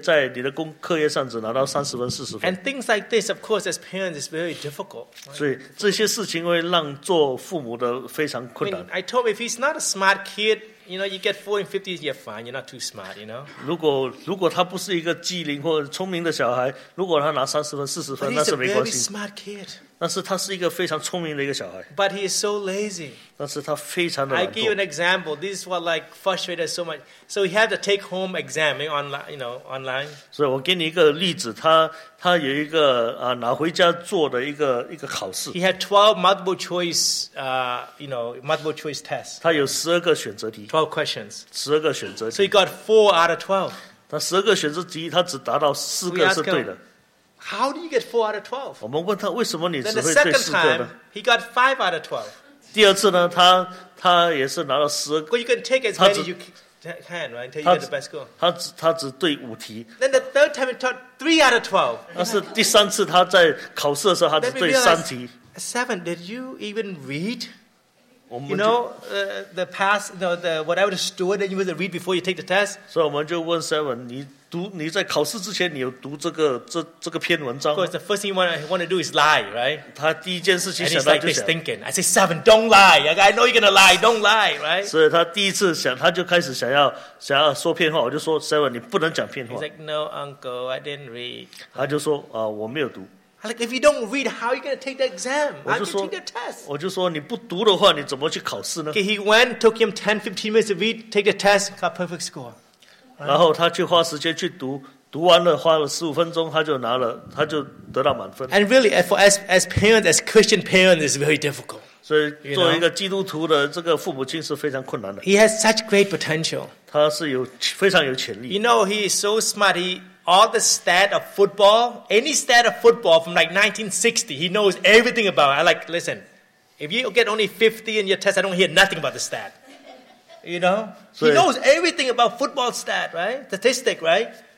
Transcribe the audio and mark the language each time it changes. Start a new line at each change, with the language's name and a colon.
Chinese: 我刚来美国，我虽然英文一句都不会，但是我至少可以在我的功课上面做得很好。但是你却在你的课业上只拿到30分、40分。
English: And things like this, of course, as parents, is very difficult.
Chinese: 所以这些事情会让做父母的非常困难。
English: I told him, if he's not a smart kid, you know, you get 40 and 50, you're fine. You're not too smart, you know.
Chinese: 如果他不是一个机灵或者聪明的小孩，如果他拿30分、40分， 那是没关系。
English: But he's a very smart kid.
Chinese: 但是他是一个非常聪明的一个小孩。
English: But he is so lazy.
Chinese: 但是他非常的懒惰。
English: I give you an example. This is what like frustrated so much. So he had to take home exam online, you know, online.
Chinese: 所以我给你一个例子，他有一个拿回家做的一个考试。
English: He had 12 multiple choice, you know, multiple choice tests.
Chinese: 他有12个选择题。
English: 12 questions.
Chinese: 12个选择题。
English: So he got 4 out of 12.
Chinese: 他12个选择题，他只答到4个是对的。
English: How do you get 4 out of 12?
Chinese: 我们问他为什么你只会对4个呢？
English: Then the second time, he got 5 out of 12.
Chinese: 第二次呢，他也是拿到12个。
English: But you can take as many as you can, right? Until you get the best score.
Chinese: 他只对5题。
English: Then the third time, he taught 3 out of 12.
Chinese: 但是第三次他在考试的时候，他只对3题。
English: 7, did you even read? You know, the past, you know, the whatever the story that you were to read before you take the test?
Chinese: 所以我们就问 7, 你在考试之前，你有读这个篇文章？
English: Of course, the first thing you want to do is lie, right?
Chinese: 他第一件事情想到就想。
English: And he's like this thinking. I say, Seven, don't lie. I know you're gonna lie. Don't lie, right?
Chinese: 所以他第一次想，他就开始想要说骗话。我就说 Seven, 你不能讲骗话。
English: He's like, No, Uncle, I didn't read.
Chinese: 他就说，我没有读。
English: Like if you don't read, how are you gonna take the exam? How are you gonna take the test?
Chinese: 我就说你不读的话，你怎么去考试呢？
English: Okay, he went, took him 10-15 minutes to read, take the test, got perfect score.
Chinese: 然后他去花时间去读，读完了花了15分钟，他就得到满分。
English: And really, as parents, as Christian parents, it's very difficult.
Chinese: 所以，作为一个基督徒的这个父母亲是非常困难的。
English: He has such great potential.
Chinese: 他是非常有潜力。
English: You know, he is so smart. He all the stat of football, any stat of football from like 1960, he knows everything about it. I like, listen, if you get only 50 in your test, I don't hear nothing about the stat. You know? So he knows everything about football stat, right? Statistic, right?